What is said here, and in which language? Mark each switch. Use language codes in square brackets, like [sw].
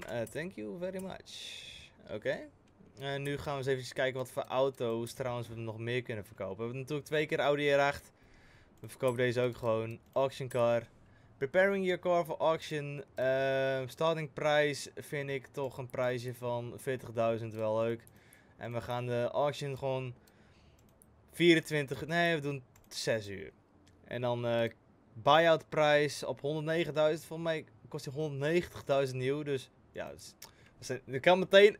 [en] Thank you very much. [nl] Oké. En nu gaan we eens even kijken wat voor auto's trouwens we nog meer kunnen verkopen. We hebben natuurlijk twee keer Audi R8. We verkopen deze ook gewoon. [en] Auction car. Preparing your car for auction. [nl] Starting price vind ik toch een prijsje van 40.000 wel leuk. En we gaan de auction gewoon 24... Nee, we doen... 6 uur. En dan buyout prijs op 109.000. Volgens mij kost hij 190.000 nieuw. Dus ja, het kan meteen.